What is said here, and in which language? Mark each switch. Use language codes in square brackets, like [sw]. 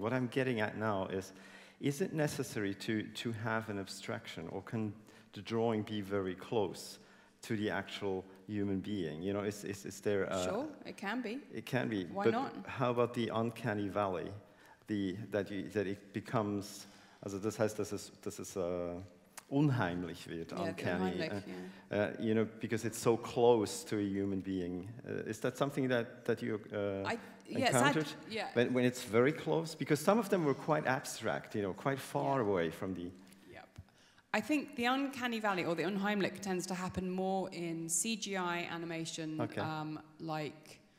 [en] What I'm getting at now is it necessary to have an abstraction, or can the drawing be very close to the actual human being? You know, is there a... Sure, it can be. It can be. Why but not? How about the uncanny valley, that it becomes... [de] Also, das heißt, das ist unheimlich wird, uncanny. [en] Yeah, unheimlich, You know, because it's so close to a human being. Is that something that you... encountered, when it's very close? Because some of them were quite abstract, you know, quite far away from the... Yep. I think the uncanny valley, or the unheimlich, tends to happen more in CGI animation, like